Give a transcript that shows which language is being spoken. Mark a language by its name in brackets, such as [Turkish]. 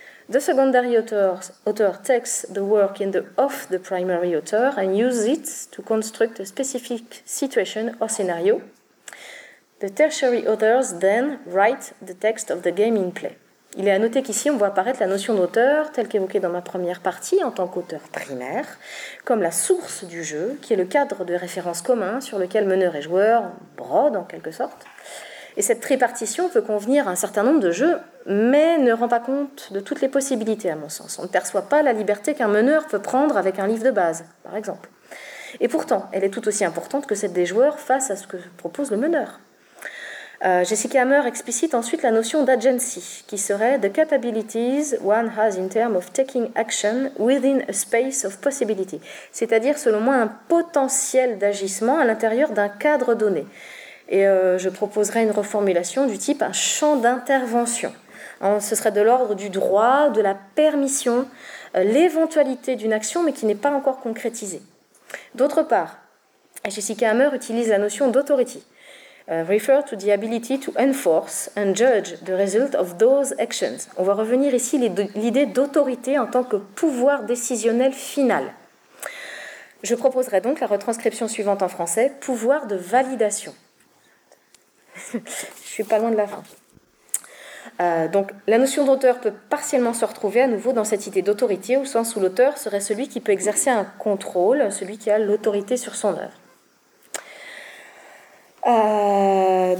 [English] The secondary author takes the work in the off the primary author and uses it to construct a specific situation or scenario. The tertiary authors then write the text of the game in play. [French] » Il est à noter qu'ici, on voit apparaître la notion d'auteur, telle qu'évoquée dans ma première partie, en tant qu'auteur primaire, comme la source du jeu, qui est le cadre de référence commun sur lequel meneur et joueur brodent, en quelque sorte. Et cette tripartition peut convenir à un certain nombre de jeux, mais ne rend pas compte de toutes les possibilités, à mon sens. On ne perçoit pas la liberté qu'un meneur peut prendre avec un livre de base, par exemple. Et pourtant, elle est tout aussi importante que celle des joueurs face à ce que propose le meneur. Jessica Hammer explicite ensuite la notion d'agency, qui serait « [English] the capabilities one has in terms of taking action within a space of possibility [French] », c'est-à-dire selon moi un potentiel d'agissement à l'intérieur d'un cadre donné. Et je proposerai une reformulation du type « un champ d'intervention ». Ce serait de l'ordre du droit, de la permission, l'éventualité d'une action, mais qui n'est pas encore concrétisée. D'autre part, Jessica Hammer utilise la notion d'authority, [English] refer to the ability to enforce and judge the result of those actions. [French] On va revenir ici l'idée d'autorité en tant que pouvoir décisionnel final. Je proposerai donc la retranscription suivante en français, pouvoir de validation. Je suis pas loin de la fin. Donc la notion d'auteur peut partiellement se retrouver à nouveau dans cette idée d'autorité, au sens où l'auteur serait celui qui peut exercer un contrôle, celui qui a l'autorité sur son œuvre.